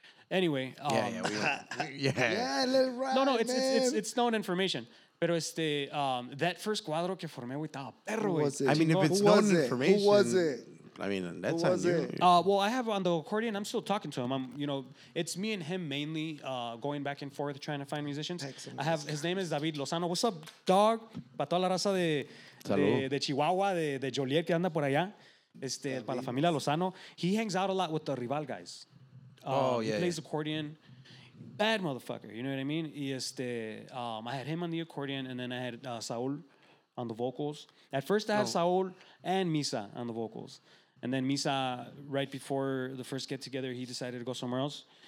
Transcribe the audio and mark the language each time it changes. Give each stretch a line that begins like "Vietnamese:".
English: Anyway. It's known information.
Spanish: Pero
English: that first
Spanish: cuadro que formé
English: with that
Spanish: perro.
English: Who was it? I mean, if it's known information. Who was it? I mean, that's how I have on the accordion. I'm still talking to him. I'm, you know, it's me and him mainly going back and forth trying to find musicians. Excellent. I have his name is David Lozano. What's up, dog?
Spanish: Para toda la raza de Chihuahua, de Joliet que anda por allá. Para la familia Lozano.
English: He hangs out a lot with the Rival guys. He plays accordion. Bad motherfucker. You know what I mean?
Spanish: Y
English: I had him on the accordion, and then I had Saul on the vocals. At first, I had Saul and Misa on the vocals. And then Misa, right before the first get-together, he decided to go somewhere else.